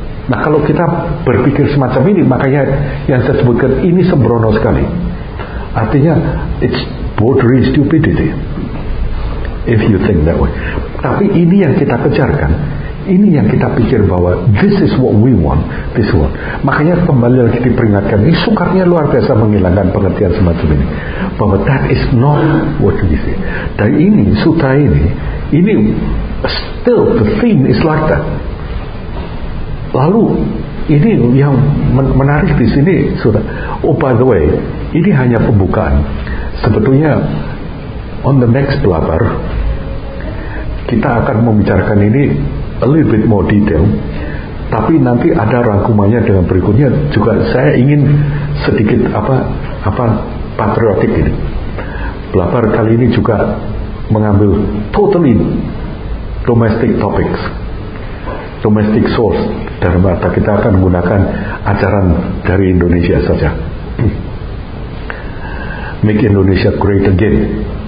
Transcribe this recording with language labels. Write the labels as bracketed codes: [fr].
[id] Nah kalau kita berpikir semacam ini, makanya yang saya sebutkan ini sembrono sekali. [en] Artinya it's bordering stupidity if you think that way. [id] Tapi ini yang kita kejarkan, ini yang kita pikir bahwa [en] this is what we want, this one. [id] Makanya kembali lagi diperingatkan, ini sukarnya luar biasa menghilangkan pengertian semacam ini, bahwa [en] that is not what we see. [id] Dan ini, sutra ini [en] still the theme is like that. [id] Lalu ini yang menarik di sini, sutra. [en] Oh by the way, [id] ini hanya pembukaan. Sebetulnya [en] on the next [id] pelabar kita akan membicarakan ini [en] a little bit more detail, [id] tapi nanti ada rangkumannya dengan berikutnya juga. Saya ingin sedikit patriotik ini. Pelabar kali ini juga mengambil [en] totally domestic topics, domestic source, [id] dan mata kita akan menggunakan ajaran dari Indonesia saja. [en] Make Indonesia great again.